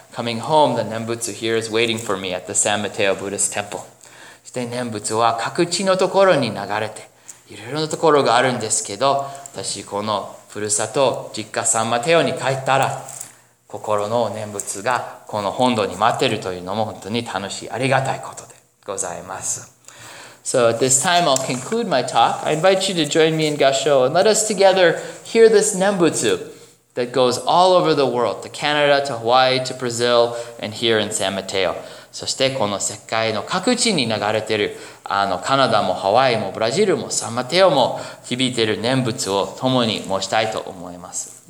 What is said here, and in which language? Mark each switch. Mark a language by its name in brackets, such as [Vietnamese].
[English] Coming home, the Nembutsu here is waiting for me at the San Mateo Buddhist Temple. [Japanese] そして Nembutsu は各地のところに流れて、いろいろなところがあるんですけど、私このふるさと、実家サンマテオに帰ったら、心の念仏がこの本土に待ってるというのも本当に楽しい、ありがたいことでございます。 [English] So at this time I'll conclude my talk. I invite you to join me in Gassho and let us together hear this 念仏 that goes all over the world, to Canada, to Hawaii, to Brazil, and here in San Mateo. [Japanese] そしてこの世界の各地に流れているカナダもハワイもブラジルもサンマテオも響いている念仏を共に申したいと思います。